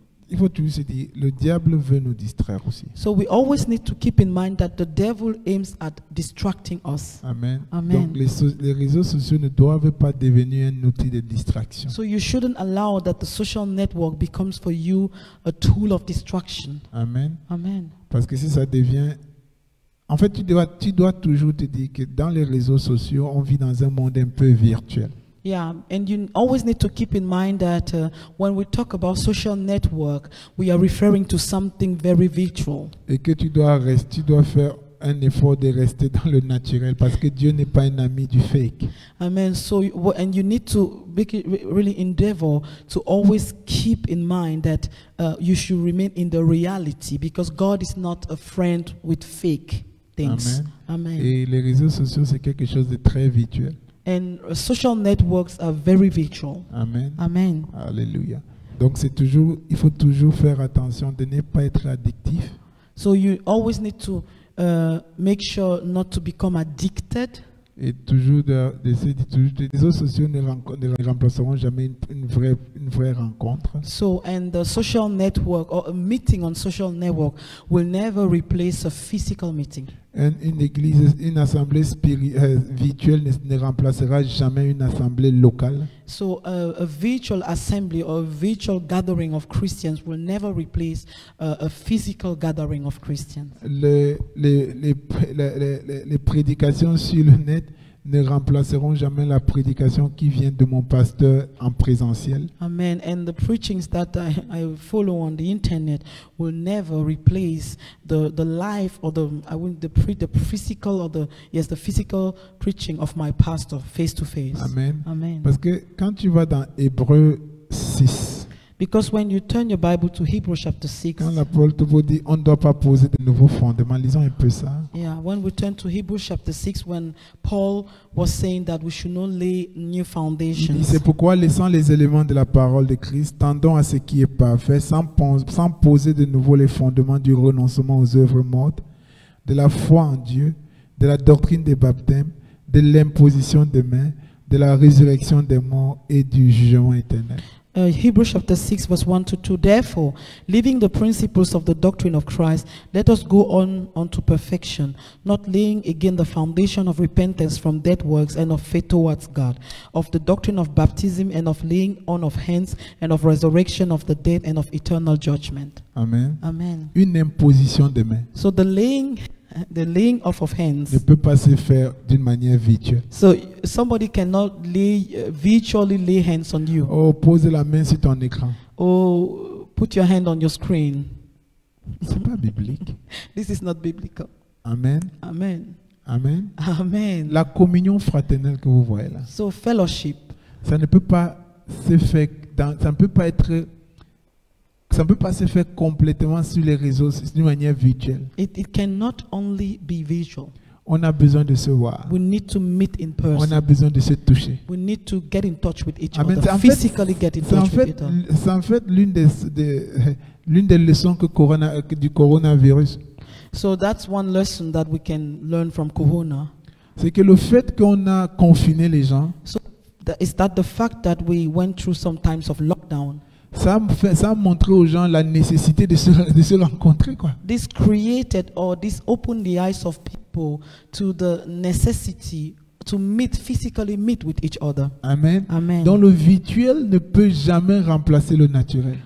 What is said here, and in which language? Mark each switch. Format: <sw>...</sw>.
<fr>Il faut toujours se dire, le diable veut nous distraire aussi.</fr> <en>So we always need to keep in mind that the devil aims at distracting us. Amen. Amen.</en> <fr>Donc les réseaux sociaux ne doivent pas devenir un outil de distraction.</fr> <en>So you shouldn't allow that the social network becomes for you a tool of distraction. Amen. Amen.</en> <fr>Parce que si ça devient, en fait, tu dois toujours te dire que dans les réseaux sociaux, on vit dans un monde un peu virtuel.</fr> <en>Yeah, and you always need to keep in mind that when we talk about social network, we are referring to something very virtual.</en> <fr>Et que tu dois faire un effort de rester dans le naturel parce que Dieu n'est pas un ami du fake. Amen.</fr> <en>So and you need to really endeavor to always keep in mind that you should remain in the reality because God is not a friend with fake things. Amen.</en> <fr>Amen. Et les réseaux sociaux c'est quelque chose de très virtuel.</fr> <en>And social networks are very virtual. Amen. Amen. Alléluia.</en> <fr>Donc c'est toujours, il faut toujours faire attention de ne pas être addictif.</fr> <en>So you always need to make sure not to become addicted.</en> <fr>Et toujours de les réseaux sociaux ne remplaceront jamais une vraie rencontre.</fr> <en>So and the social network or a meeting on social network will never replace a physical meeting.</en> <fr>Et une église, une assemblée virtuelle ne remplacera jamais une assemblée locale.</fr> <en>So a virtual assembly or a virtual gathering of Christians will never replace a physical gathering of Christians.</en> <fr>Les prédications sur le net ne remplaceront jamais la prédication qui vient de mon pasteur en présentiel. Amen.</fr> <en>And the preachings that I follow on the internet will never replace the life or the physical preaching of my pastor face to face.</en> <fr>Amen. Amen. Parce que quand tu vas dans Hébreux 6,</fr> <en>because when you turn your Bible to Hebrews chapter 6,</en> <fr>quand l'apôtre te dit on ne doit pas poser de nouveaux fondements, lisons un peu ça.</fr> <en>Yeah, when we turn to Hebrews chapter 6, when Paul was saying that we should not lay new foundations.</en> <fr>Et c'est pourquoi laissant les éléments de la parole de Christ, tendons à ce qui est parfait, sans poser de nouveau les fondements du renoncement aux œuvres mortes, de la foi en Dieu, de la doctrine des baptêmes, de l'imposition des mains, de la résurrection des morts et du jugement éternel.</fr> <en>Hebrews chapter 6 verse 1 to 2. Therefore, leaving the principles of the doctrine of Christ, let us go on to perfection, not laying again the foundation of repentance from dead works and of faith towards God, of the doctrine of baptism and of laying on of hands and of resurrection of the dead and of eternal judgment. Amen. Amen.</en> <fr>Une imposition des mains.</fr> <en>So the laying off of hands</en> <fr>ne peut pas se faire d'une manière virtuelle.</fr> <en>So somebody cannot virtually lay hands on you.</en> <fr>Oh, pose la main sur ton écran.</fr> <en>Oh, put your hand on your screen.</en> <fr>C'est pas biblique.</fr> <en>This is not biblical. Amen. Amen. Amen. Amen.</en> <fr>La communion fraternelle que vous voyez là.</fr> <en>So fellowship.</en> <fr>Ça ne peut pas se faire ça ne peut pas se faire complètement sur les réseaux, d'une manière virtuelle.</fr> <en>It cannot only be visual.</en> <fr>On a besoin de se voir.</fr> <en>We need to meet in person.</en> <fr>On a besoin de se toucher.</fr> <en>We need to get in touch with each other. Physically get in touch with each other.</en> <fr>C'est en fait l'une des leçons du coronavirus.</fr> <en>So that's one lesson that we can learn from Corona.</en> <fr>C'est que le fait qu'on a confiné les gens.</fr> <en>So is that the fact that we went through some times of lockdown?</en> <fr>Ça a montré aux gens la nécessité de se rencontrer, quoi.</fr> <en>This created or this opened the eyes of people to the necessity to physically meet with each other. Amen. Amen.</en> <fr>Donc le virtuel ne peut jamais remplacer le naturel.</fr>